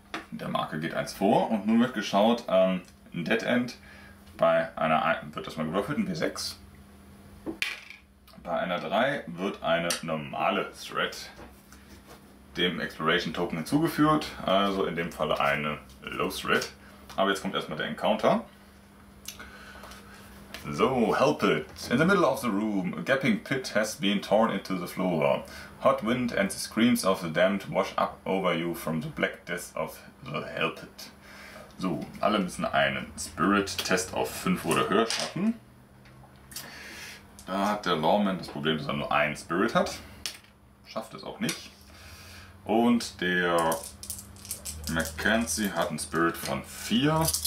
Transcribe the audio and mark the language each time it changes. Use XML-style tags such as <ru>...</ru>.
<de>Der Marker geht 1 vor und nun wird geschaut, ein Dead End bei einer 1, wird das mal gewürfelt, ein W6. Bei einer 3 wird eine normale Threat dem Exploration Token hinzugefügt, also in dem Fall eine Low Threat. Aber jetzt kommt erstmal der Encounter.</de> <en>So, help it. In the middle of the room, a gaping pit has been torn into the floor. Hot wind and the screams of the damned wash up over you from the black death of the help it.</en> <de>So, alle müssen einen Spirit-Test auf 5 oder höher schaffen. Da hat der Lawman das Problem, dass er nur einen Spirit hat. Schafft es auch nicht. Und der McKenzie hat einen Spirit von 4.</de>